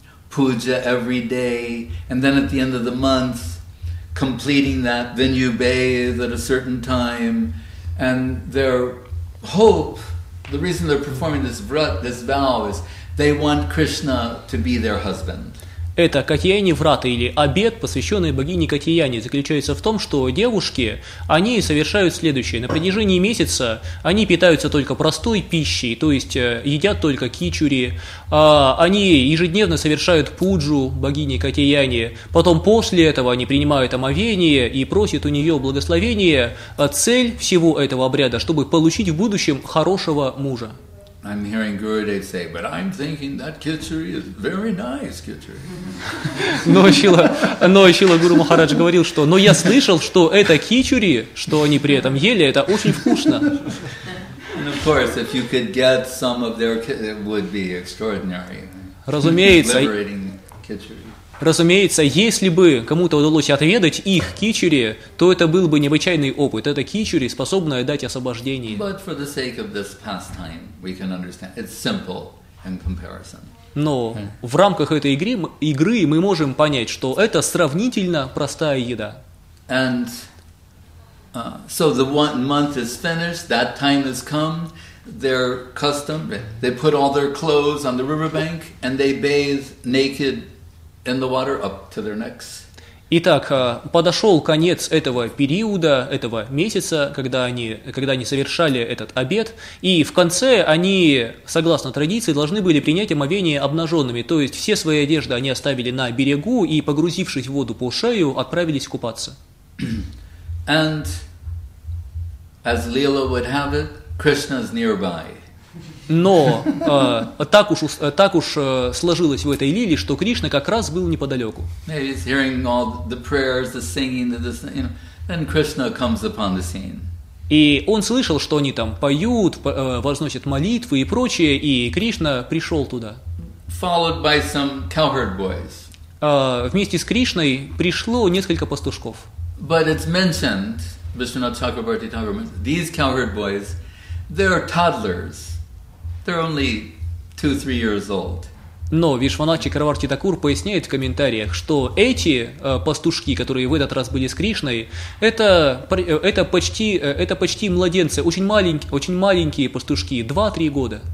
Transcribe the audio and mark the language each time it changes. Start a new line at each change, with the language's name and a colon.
English: puja every day, and then at the end of the month, completing that, then you bathe at a certain time, and their hope, the reason they're performing this vrat, this vow, is they want Krishna to be their husband.
Russian: Это Катьяяни Врата, или обет, посвященный богине Катьяяни, заключается в том, что девушки, они совершают следующее. На протяжении месяца они питаются только простой пищей, то есть едят только кичури. Они ежедневно совершают пуджу богине Катьяяни. Потом после этого они принимают омовение и просят у нее благословения. Цель всего этого обряда, чтобы получить в будущем хорошего мужа.
English: I'm hearing Gurudev say, but I'm thinking that khichuri is very nice khichuri.
Russian: Но Шрила Гуру Махарадж говорил, что «но я слышал, что это кичури, что они при этом ели, это очень вкусно».
English: And of course, if you could get some of their khichuri, it would be extraordinary.
Russian: Разумеется.
English: Liberating khichuri.
Russian: Разумеется, если бы кому-то удалось отведать их кичури, то это был бы необычайный опыт. Это кичури, способное дать освобождение.
English: But for the sake of this pastime, we can understand. It's simple in comparison.
Russian: Но в рамках этой игры мы можем понять, что это сравнительно простая еда.
English: And so the 1 month is finished, that time has come, their custom, they put all their clothes on the riverbank, and they bathe naked in the water up to their necks.
Russian: Итак, подошел конец этого периода, этого месяца, когда они совершали этот обет, и в конце они, согласно традиции, должны были принять омовение обнаженными, то есть все свои одежды они оставили на берегу и, погрузившись в воду по шею, отправились купаться.
English: And as Leela would have it, Krishna's nearby.
Russian: Но так уж сложилось в этой лиле, что Кришна как раз был неподалеку.
English: He's hearing all the prayers, the singing, the, you know, Then Krishna comes upon the scene.
Russian: И он слышал, что они там поют, возносят молитвы и прочее, и Кришна пришел туда.
English: Followed by some cowherd boys.
Russian: Вместе с Кришной пришло несколько пастушков.
English: But it's mentioned, Vishwanath Chakravarti Thakur mentioned, these cowherd boys, they're toddlers. They're only 2-3 years old.
Russian: Но Вишванат Чакраварти Такур поясняет в комментариях, что эти пастушки, которые в этот раз были с Кришной, это почти младенцы, очень маленькие пастушки, 2-3 года.